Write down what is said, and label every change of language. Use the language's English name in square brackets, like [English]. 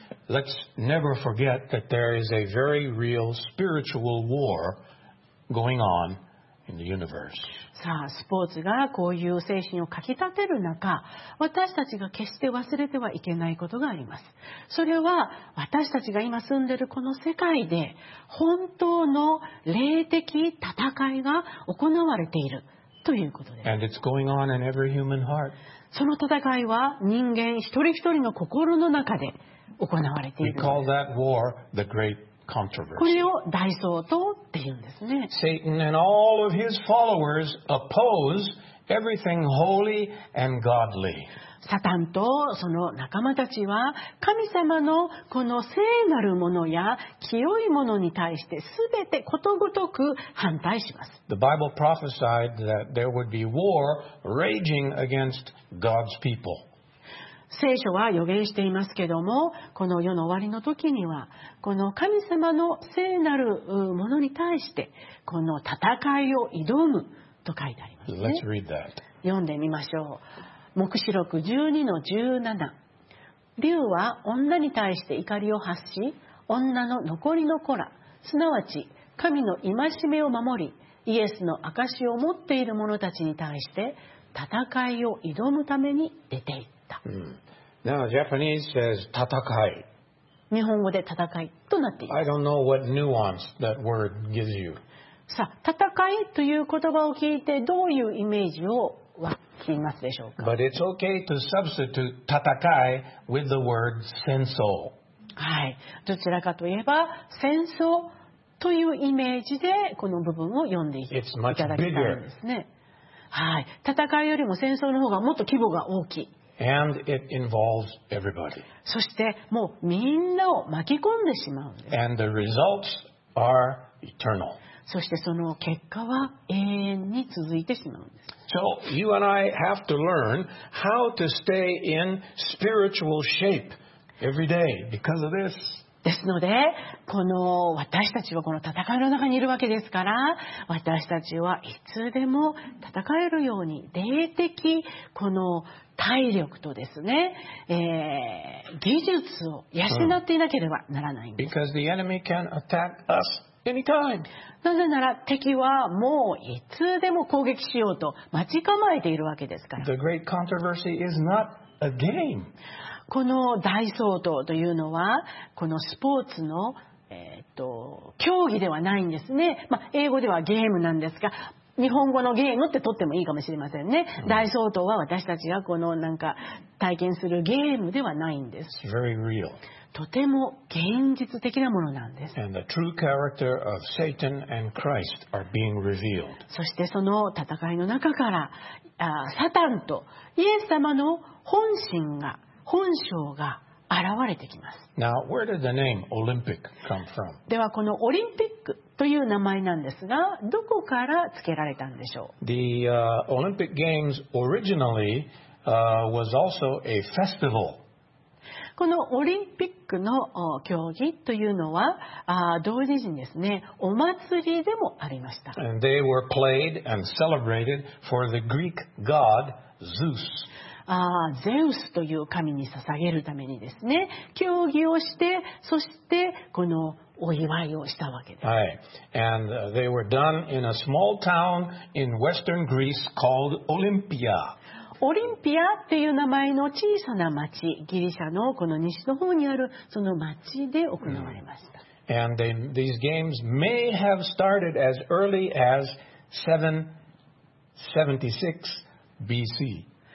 [English] Let's never forget that there is a very real spiritual war going on in the universe. [Japanese] さあ、スポーツがこういう精神をかき立てる中、私たちが決して忘れてはいけないことがあります。それは私たちが今住んでいるこの世界で本当の霊的戦いが行われているということです。 [English] And it's going on in every human heart. [Japanese] その戦いは人間一人一人の心の中で行われているんです。 [English] We call that war the great controversy. [Japanese] これを大争闘って言うんですね。 [English] Satan and all of his followers oppose everything holy and godly. [Japanese] サタンとその仲間たちは神様のこの聖なるものや清いものに対して全てことごとく反対します。 [English] The Bible prophesied that there would be war raging against God's people. [Japanese] 聖書は予言していますけども、この世の終わりの時にはこの神様の聖なるものに対してこの戦いを挑むと書いてありますね。 [English] Let's read that. [Japanese] 読んでみましょう。黙示録 12-17、 竜は女に対して怒りを発し、女の残りの子ら、すなわち神の戒めを守りイエスの証を持っている者たちに対して戦いを挑むために出ていく。 [English] Now, Japanese says 戦い。 [Japanese] 日本語で戦いとなっています。 [English] I don't know what nuance that word gives you. [Japanese] さあ、戦いという言葉を聞いてどういうイメージを湧きますでしょうか。 [English] But it's okay to substitute 戦い with the word 戦争。 [Japanese] はい、どちらかといえば戦争というイメージでこの部分を読んでいただきたいんですね。はい、戦いよりも戦争の方がもっと規模が大きい。 [English] And it involves everybody. [Japanese] そしてもうみんなを巻き込んでしまうんです。 [English] And the results are eternal. [Japanese] そしてその結果は永遠に続いてしまうんです。 [English] So you and I have to learn how to stay in spiritual shape every day because of this. [Japanese] ですので、この私たちはこの戦いの中にいるわけですから、私たちはいつでも戦えるように霊的この体力とですね、技術を養っていなければならないんです。 [English] Because the enemy can attack us anytime. [Japanese] なぜなら敵はもういつでも攻撃しようと待ち構えているわけですから。 [English] The great controversy is not a game. [Japanese] この大争闘というのはこのスポーツの、競技ではないんですね。まあ、英語ではゲームなんですが、日本語のゲームって取ってもいいかもしれませんね。大争闘は私たちがこのなんか体験するゲームではないんです。 [English] Very real. [Japanese] とても現実的なものなんです。 [English] And the true character of Satan and Christ are being revealed. [Japanese] そしてその戦いの中から、サタンとイエス様の本心が、本性が現れてきます。 [English] Now, where did the name Olympic come from? [Japanese] ではこのオリンピックという名前なんですが、どこから付けられたんでしょう。 [English] The Olympic Games originally was also a festival. [Japanese] このオリンピックの競技というのは、同時にですね、お祭りでもありました。 [English] And they were played and celebrated for the Greek god Zeus. [Japanese] ゼウスという神に捧げるためにですね、競技をして、そしてこのお祝いをしたわけです。はい。 [English] And they were done in a small town in western Greece called Olympia. [Japanese] オリンピアっていう名前の小さな町、ギリシャのこの西の方にあるその町で行われました。 Mm. [English] And they, these games may have started as early as 776 BC.